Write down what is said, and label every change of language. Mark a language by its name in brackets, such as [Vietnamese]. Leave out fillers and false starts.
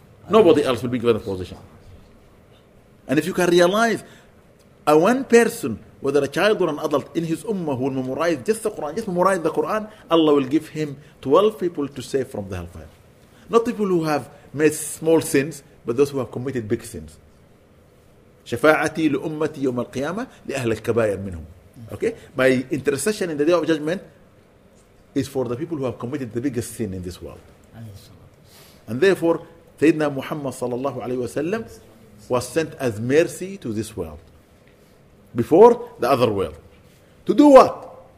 [English] Nobody else will be given a position. And if you can realize a one person, whether a child or an adult in his ummah who will memorize just the Quran, Allah will give him 12 people to save from the hellfire. Not people who have made small sins, but those who have committed big sins. [Arabic] شفاعتي لأمتي يوم القيامة لأهل الكبائر منهم. [English] Okay? My intercession in the day of judgment is for the people who have committed the biggest sin in this world. And therefore, Sayyidina Muhammad sallallahu alayhi wasallam was sent as mercy to this world, before the other world. To do what?